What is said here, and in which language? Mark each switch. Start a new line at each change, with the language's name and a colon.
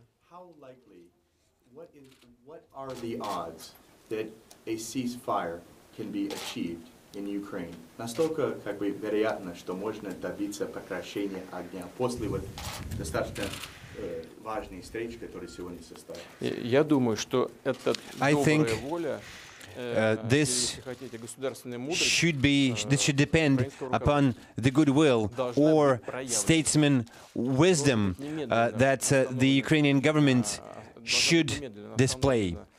English: How likely, what are the odds that a ceasefire can be achieved in Ukraine?
Russian: Настолько как бы вероятно, что можно добиться прекращения огня после вот достаточно важной встречи, которая сегодня состоялась? Я думаю, что это добрая воля.
English: This should depend upon the goodwill or statesman wisdom that the Ukrainian government should display.